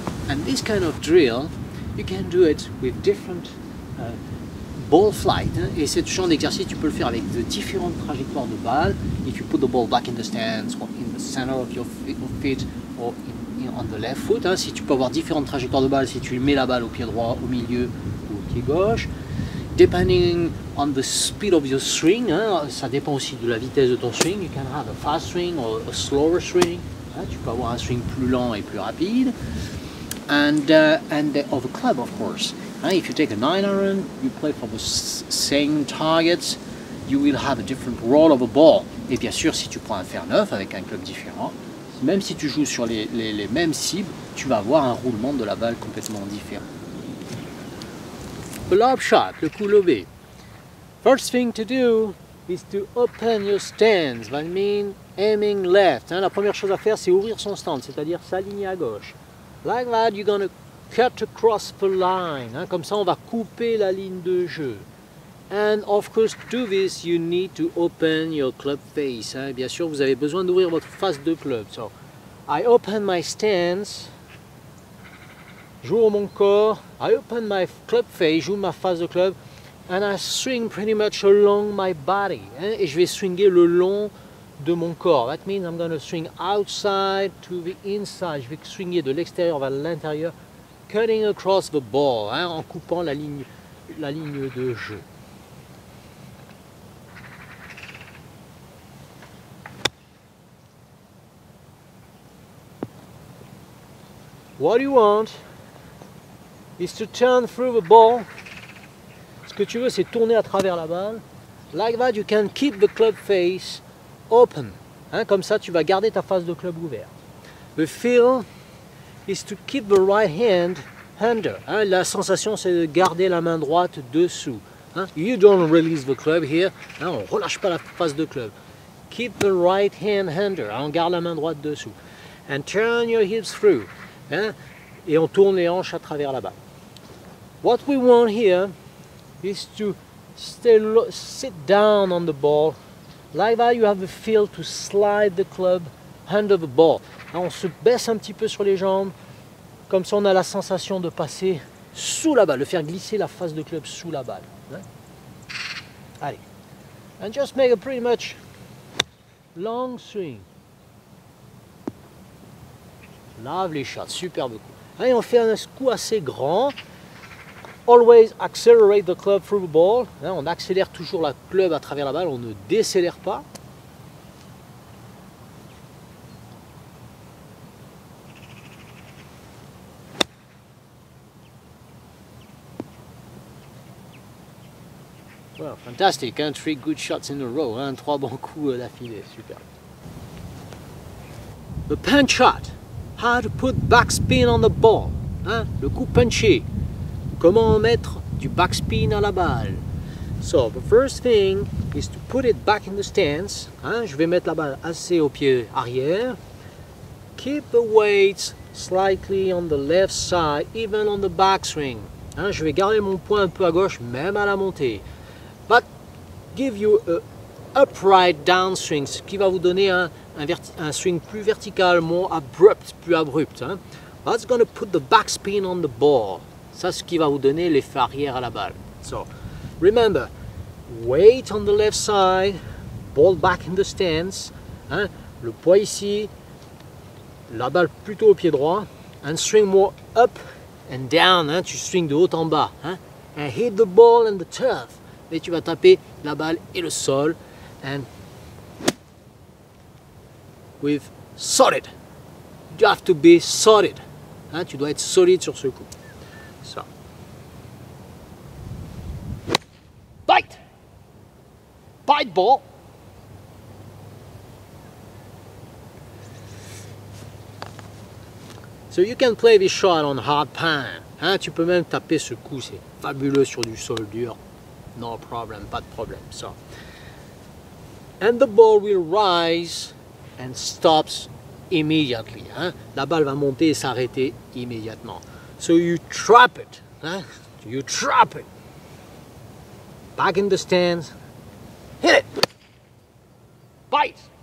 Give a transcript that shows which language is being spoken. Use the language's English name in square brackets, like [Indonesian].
[English] And this kind of drill, you can do it with different ball flight, hein? [French] Et ce genre d'exercice, tu peux le faire avec de différentes trajectoires de balle. [English] If you put the ball back in the stance, or in the center of your feet, or on the left foot, hein? [French] Si tu peux avoir différentes trajectoires de balle, si tu mets la balle au pied droit, au milieu ou au pied gauche. [English] Depending on the speed of your swing, hein? [French] Ça dépend aussi de la vitesse de ton swing. [English] You can have a fast swing or a slower swing. Hein? [French] Tu peux avoir un swing plus lent et plus rapide. [English] And of a club, of course. If you take a 9-iron, you play for the same targets, you will have a different roll of a ball. [French] Et bien sûr, si tu prends un fer 9 avec un club différent, même si tu joues sur les mêmes cibles, tu vas avoir un roulement de la balle complètement différent. [English] Lob shot, [French] le coup lobé. [English] First thing to do is to open your stance, that means aiming left. [French] La première chose à faire, c'est ouvrir son stance, c'est-à-dire s'aligner à gauche. [English] Like that, you're going to cut across the line. [French] Comme ça, on va couper la ligne de jeu. [English] And of course, to this, you need to open your club face. [French] Bien sûr, vous avez besoin d'ouvrir votre face de club. [English] So, I open my stance. [French] J'ouvre mon corps. [English] I open my club face. [French] J'ouvre ma face de club. [English] And I swing pretty much along my body. [French] Et je vais swinger le long de mon corps. [English] That means I'm going to swing outside to the inside. [French] Je vais swinger de l'extérieur vers l'intérieur, [English] cutting across the ball, [French] en coupant la ligne de jeu. [English] What you want is to turn through the ball. [French] Ce que tu veux, c'est tourner à travers la balle. [English] Like that, you can keep the club face open. [French] Comme ça, tu vas garder ta face de club ouverte. [English] The feel is to keep the right hand under. [French] La sensation, c'est de garder la main droite dessous. [English] You don't release the club here. [French] On ne relâche pas la face de club. [English] Keep the right hand under. [French] On garde la main droite dessous. [English] And turn your hips through. [French] Et on tourne les hanches à travers la balle. [English] What we want here is to sit down on the ball. Like that, you have the feel to slide the club under the ball. [French] On se baisse un petit peu sur les jambes, comme ça on a la sensation de passer sous la balle, de faire glisser la face de club sous la balle. Allez. [English] And just make a pretty much long swing. Lovely shot, [French] superbe coup. Allez, on fait un coup assez grand. [English] Always accelerate the club through the ball. [French] On accélère toujours la club à travers la balle, on ne décélère pas. [English] Well, fantastic, three good shots in a row, [French] trois bons coups d'affilée, super. [English] The punch shot, how to put backspin on the ball, [French] le coup punché. Comment mettre du backspin à la balle? [English] So, the first thing is to put it back in the stance. [French] Je vais mettre la balle assez au pied arrière. [English] Keep the weight slightly on the left side, even on the backswing. [French] Je vais garder mon poids un peu à gauche, même à la montée. [English] But give you an upright downswing, [French] ce qui va vous donner un swing plus vertical, [English] more abrupt, [French] plus abrupt. [English] That's going to put the backspin on the ball. [French] Ça, ce qui va vous donner l'effet arrière à la balle. [English] So, remember, weight on the left side, ball back in the stance, [French] le poids ici, la balle plutôt au pied droit, [English] and swing more up and down, [French] tu swing de haut en bas, [English] and hit the ball and the turf, [French] et tu vas taper la balle et le sol, [English] and with solid, you have to be solid, [French] tu dois être solide sur ce coup. [English] Bite ball. So you can play this shot on hard pan. [French] Tu peux même taper ce coup, c'est fabuleux sur du sol dur. [English] No problem, [French] pas de problème. [English] So. And the ball will rise and stops immediately. [French] La balle va monter et s'arrêter immédiatement. [English] So you trap it. You trap it. Back in the stands. Hit it! Bite!